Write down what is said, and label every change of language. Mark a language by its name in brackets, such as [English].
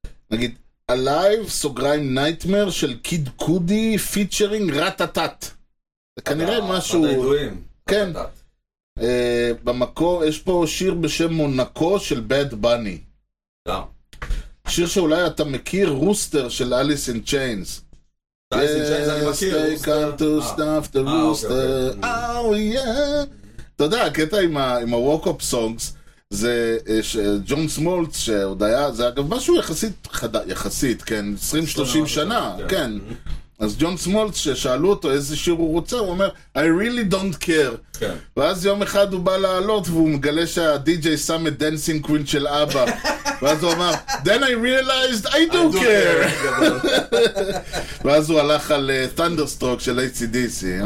[Hebrew] נגיד, Alive, סוגריים, Nightmare של קיד קודי, פיצ'רינג, רטטט. זה כנראה משהו... הידועים. כן. במקור, יש פה שיר בשם מונקו של Bad Bunny. לא. שיר שאולי אתה מכיר, רוסטר של Alice in Chains. [English] Yes, they come to stuff the rooster. Oh, yeah. [Hebrew] אתה יודע, הקטע עם ה-walk-up songs, זה ג'ון סמולץ, שעוד היה, זה אגב משהו יחסית, יחסית, כן, 20-30 שנה, כן. אז ג'ון סמולץ, ששאלו אותו איזה שיר הוא רוצה, הוא אומר, [English] I really don't care. [Hebrew] כן. ואז יום אחד הוא בא לעלות, והוא מגלה שהדי-ג'יי שם את דנסינג קווין של אבא. ואז הוא אמר, [English] then I realized I do care. [Hebrew] ואז הוא הלך על Thunderstruck של ACDC.